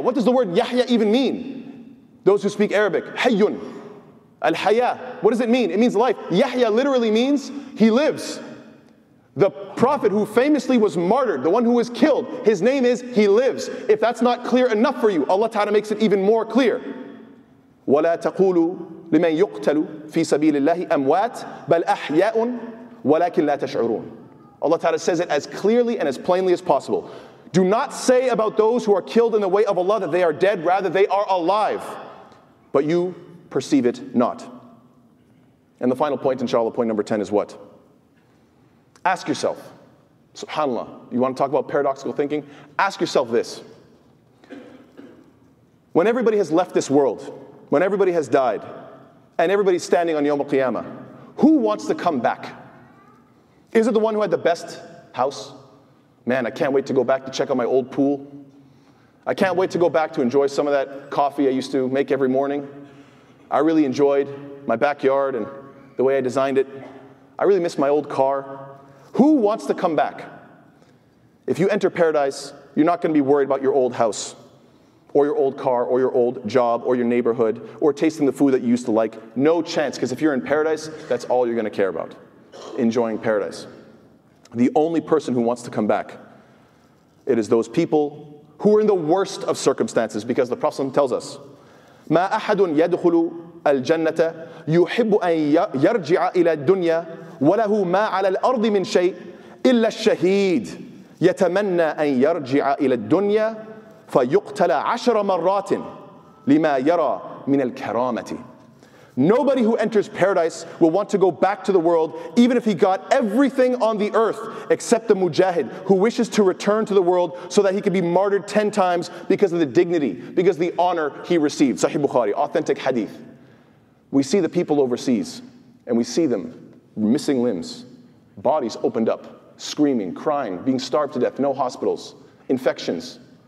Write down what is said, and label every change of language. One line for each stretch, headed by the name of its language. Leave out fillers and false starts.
English: What does the word Yahya even mean? Those who speak Arabic, Hayyun. Al-Hayya. What does it mean? It means life. Yahya literally means he lives. The Prophet who famously was martyred, the one who was killed, his name is he lives. If that's not clear enough for you, Allah Ta'ala makes it even more clear.
Arabic: وَلَا تَقُولُوا لِمَنْ يُقْتَلُوا فِي سَبِيلِ اللَّهِ أَمْوَاتٍ بَلْ أَحْيَاءٌ وَلَكِنْ لَا تَشْعُرُونَ
English: Allah Ta'ala says it as clearly and as plainly as possible. Do not say about those who are killed in the way of Allah that they are dead, rather they are alive. But you perceive it not. And the final point, inshallah, point number 10 is what? Ask yourself, subhanAllah, you want to talk about paradoxical thinking? Ask yourself this. When everybody has left this world, when everybody has died, and everybody's standing on Yawm al-Qiyamah, who wants to come back? Is it the one who had the best house? Man, I can't wait to go back to check on my old pool. I can't wait to go back to enjoy some of that coffee I used to make every morning. I really enjoyed my backyard and the way I designed it. I really miss my old car. Who wants to come back? If you enter paradise, you're not going to be worried about your old house, or your old car, or your old job, or your neighborhood, or tasting the food that you used to like. No chance, because if you're in paradise, that's all you're going to care about, enjoying paradise. The only person who wants to come back, it is those people who are in the worst of circumstances, because the Prophet tells us,
Arabic: مَا أَحَدٌ يَدْخُلُ الْجَنَّةَ يُحِبُّ أَن يَرْجِعَ إِلَى الدُّنْيَا وَلَهُ مَا عَلَى الْأَرْضِ مِنْ شَيْءٍ إِلَّا الشَّهِيدِ يَتَمَنَّى أَن يَرْجِعَ إِلَى الدُّنْيَا فَيُقْتَلَ عَشْرَ مَرَّاتٍ لِمَا يَرَى مِنَ الْكَرَامَةِ
English: Nobody who enters paradise will want to go back to the world, even if he got everything on the earth, except the mujahid, who wishes to return to the world so that he can be martyred 10 times because of the dignity, because of the honor he received. Sahih Bukhari, authentic hadith. We see the people overseas, and we see them missing limbs, bodies opened up, screaming, crying, being starved to death, no hospitals, infections.